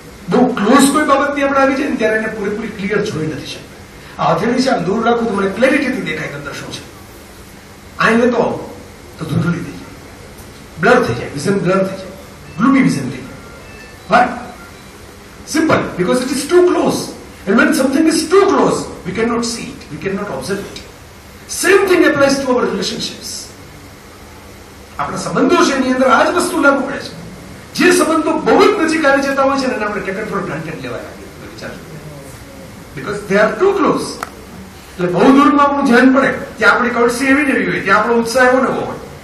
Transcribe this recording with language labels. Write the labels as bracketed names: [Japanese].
[Gujarati] બહુ ક્લોઝ કોઈ બાબતની આપણે આવી જાય ને ત્યારે એને પૂરેપૂરી ક્લિયર જોઈ નથી શકતા. આ અધેડી છે, આમ દૂર રાખું તો મને ક્લેરિટીથી દેખાય અંદર શું છે. આઈને તો ધૂંધળી થઈ જાય, બ્લર થઈ જાય, વિઝન બ્લર થઈ જાય, ગ્લુમી વિઝન થઈ જાય. [English] Why simple, because it is too close. And when something is too close, we cannot see it, we cannot observe it. Same thing applies to our relationships. [Gujarati] આપણા સંબંધો છે એની અંદર આ જ વસ્તુ લાગુ પડે છે. જે સંબંધો બહુ જ નજીક આવી જતા હોય છે એને આપણે કેટલ ફોર ગ્રાન્ટેડ લેવા લાગીએ, વિચારો, [English] Because they are too close. [Gujarati] એટલે બહુ દૂરમાં આપણું ધ્યાન પડે ત્યાં આપણી કળસી એવી નવી હોય, ત્યાં આપણો ઉત્સાહ એવો નવો હોય.